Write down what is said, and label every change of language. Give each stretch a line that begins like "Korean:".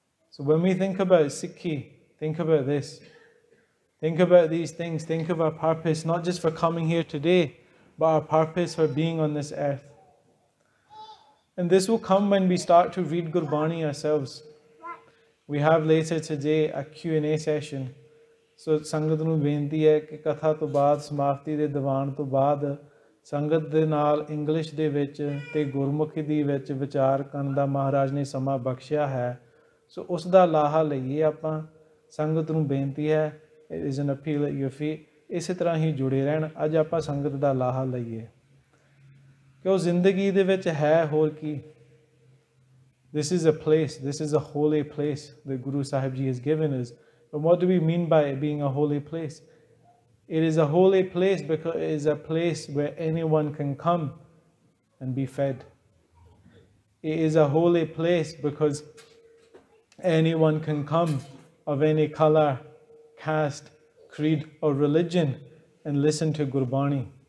English: So when we think about Sikhi, think about this. Think about these things, think of our purpose, not just for coming here today, but our purpose for being on this earth. And this will come when we start to read Gurbani ourselves. We have later today a Q&A session.
Punjabi: ਸੋ ਸੰਗਤ ਨੂੰ ਬੇਨਤੀ ਹੈ ਕਿ ਕਥਾ ਤੋਂ ਬਾਅਦ ਸਮਾਪਤੀ ਦੇ ਦੀਵਾਨ ਤੋਂ ਬਾਅਦ ਸੰਗਤ ਦੇ ਨਾਲ ਇੰਗਲਿਸ਼ ਦੇ ਵਿੱਚ ਅਤੇ ਗੁਰਮੁਖੀ ਦੇ ਵਿੱਚ ਵਿਚਾਰ ਕਰਨ ਦਾ ਮਹਾਰਾਜ ਨੇ ਸਮਾਂ ਬਖਸ਼ਿਆ ਹੈ। ਸੋ ਉਸ ਦਾ ਲਾਹਾ ਲਈਏ ਆਪਾਂ। ਸੰਗਤ ਨੂੰ ਬੇਨਤੀ ਹੈ,
English: it is an appeal ਯੂਫੀ,
Punjabi: ਇਸੇ ਤਰ੍ਹਾਂ ਹੀ ਜੁੜੇ ਰਹਿਣ। ਅੱਜ ਆਪਾਂ ਸੰਗਤ ਦਾ ਲਾਹਾ ਲਈਏ ਕਿ ਉਹ ਜ਼ਿੰਦਗੀ ਦੇ ਵਿੱਚ ਹੈ ਹੋਰ ਕੀ।
English: This is a place, this is a holy place the Guru Sahib ji is given is. But what do we mean by it being a holy place? It is a holy place because it is a place where anyone can come and be fed. It is a holy place because anyone can come of any color, caste, creed or religion and listen to Gurbani.